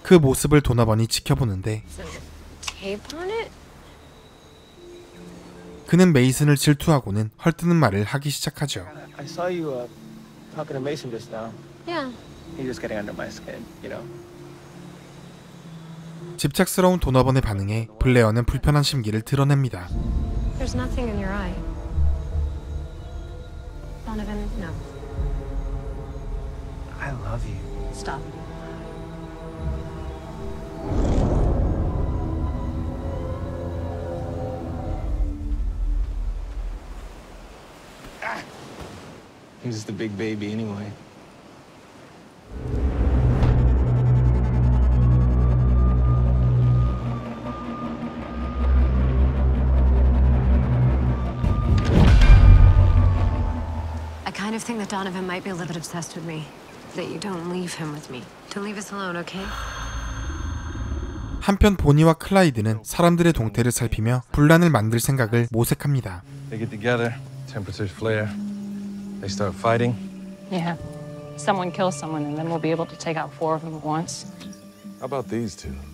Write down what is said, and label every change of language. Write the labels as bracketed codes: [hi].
[ko] 그 모습을 도나버니 지켜보는데. [en] Tape on it? [ko] 그는 메이슨을 질투하고는 헐뜯는 말을 하기 시작하죠. [en] I saw you talking to Mason just now. Yeah. He's just getting under my skin, you know. [ko] 집착스러운 도너번의 반응에 블레어는 불편한 심기를 드러냅니다. [en] There's nothing in your eye. Donovan, no. I love you. Stop. I'm just a big baby anyway. I kind of think that Donovan might be a little bit obsessed with me. That you don't leave him with me. To leave us alone, okay? [ko] 한편 보니와 클라이드는 사람들의 동태를 살피며 분란을 만들 생각을 모색합니다. [en] They get together, temperatures flare. They start fighting. Yeah. Someone kills someone and then we'll be able to take out four of them at once. How about these two?